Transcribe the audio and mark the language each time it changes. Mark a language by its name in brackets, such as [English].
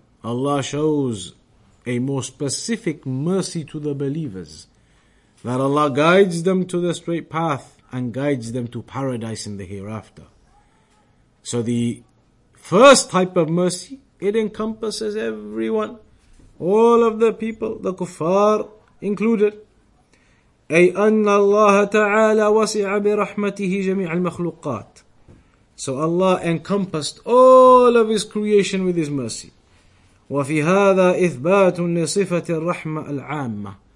[English] Allah shows a more specific mercy to the believers, that Allah guides them to the straight path and guides them to paradise in the hereafter. So the first type of mercy, it encompasses everyone, all of the people, the kuffar included. [Arabic] أي أن الله تعالى وسع برحمته جميع المخلوقات. [English] So Allah encompassed all of His creation with His mercy. [Arabic] وفي هذا إثبات لصفة الرحمة العامة.